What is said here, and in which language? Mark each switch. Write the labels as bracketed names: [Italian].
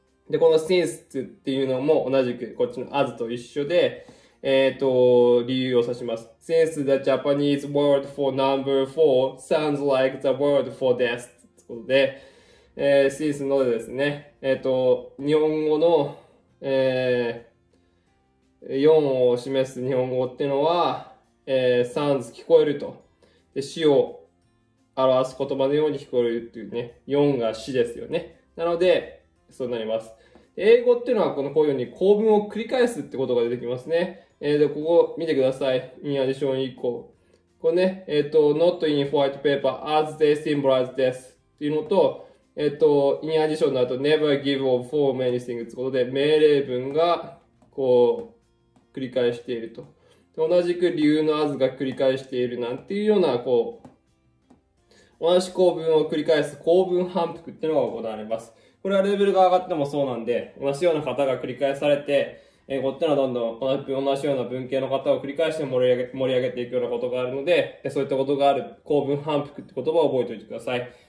[Japanese] で、この since っていうのも同じくこっちの as と一緒で、理由を指します。 [English] Since the Japanese word for number four sounds like the word for death. [Japanese] ということで、since のでですね、日本語の、4を示す日本語っていうのは、sounds 聞こえると。で、死を表す言葉のように聞こえるっていうね、4が死ですよね。なので、そうなります。英語っていうのはこういうように構文を繰り返すってことが出てきますね。で、ここ見てください。 [English] in addition 以降。 これね、not in white paper as they symbolize this っていうのと、in addition の後 never give of four many things ってことで、 [Japanese] 命令文がこう、繰り返していると。同じく理由の as が繰り返しているなんていうような、こう、同じ構文を繰り返す構文反復っていうのが行われます。これはレベルが上がってもそうなんで、同じような方が繰り返されて、英語ってのはどんどん同じような文系の方を繰り返して盛り上げていくようなことがあるので、そういったことがある構文反復って言葉を覚えておいてください。